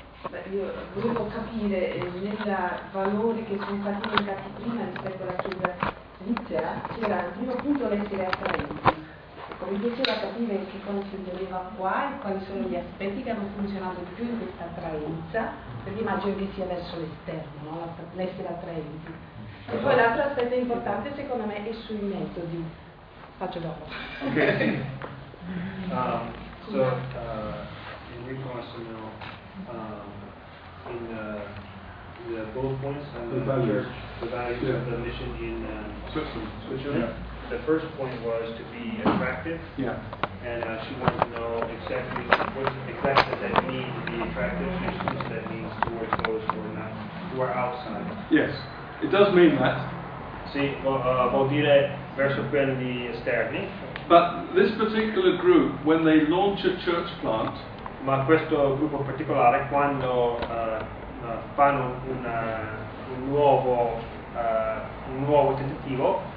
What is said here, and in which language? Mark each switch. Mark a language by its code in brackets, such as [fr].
[it] Beh, io volevo capire nel valore che sono stati indicati prima rispetto alla chiesa svizzera, c'era il primo punto l'essere attraenti. Ecco, mi piaceva capire che cosa si intendeva qua e quali sono gli aspetti che hanno funzionato di più in questa attraenza, perché immagino che sia verso l'esterno, no? L'essere attraenti. E poi l'altro aspetto importante secondo me è sui metodi. [en] Okay. In response, you know, in the bullet points and the values, the values of the mission in Switzerland. Yeah. The first point was to be attractive. Yeah. And she wanted to know exactly what exactly that means to be attractive. Mm-hmm. That means towards those who are outside. Yes, it does mean that. [it] Sì, vuol dire verso quelli esterni. [en] But this particular group, when they launch a church plant, [it] ma questo gruppo particolare quando fanno un nuovo tentativo,